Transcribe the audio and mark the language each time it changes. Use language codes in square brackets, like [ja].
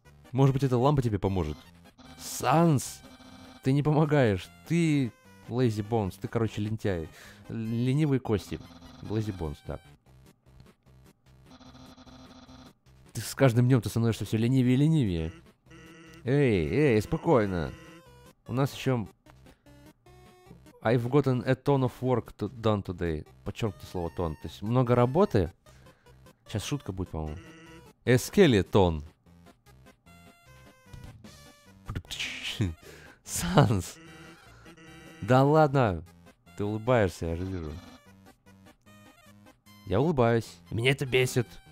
[ru] Может быть, эта лампа тебе поможет? Санс, ты не помогаешь. Ты Лэйзи Бонс, ты, короче, лентяй. Ленивые кости. Лэйзи Бонс, да. Ты с каждым днем ты становишься все ленивее и ленивее. Эй, спокойно. У нас еще... [en] I've gotten a ton of work to done today. [ru] Подчеркнуто слово тон. То есть много работы. Сейчас шутка будет, по-моему. Эскелетон. Санс. Да ладно. Ты улыбаешься, я же вижу. Я улыбаюсь. Меня это бесит.